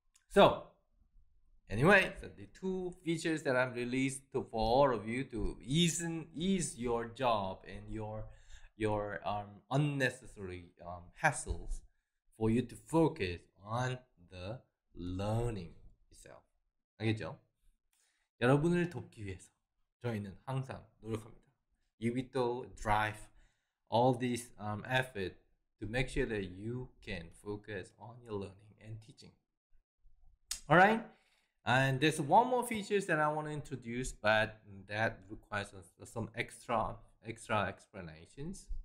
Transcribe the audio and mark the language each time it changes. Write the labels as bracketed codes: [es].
[en] So, anyway, so the two features that I've released for all of you to ease your job and your unnecessary hassles for you to focus on the learning. [ko] 알겠죠? 여러분을 돕기 위해서 저희는 항상 노력합니다. [en] uBitto drive all this effort to make sure that you can focus on your learning and teaching. Alright? And there's one more feature that I want to introduce, but that requires some extra explanations.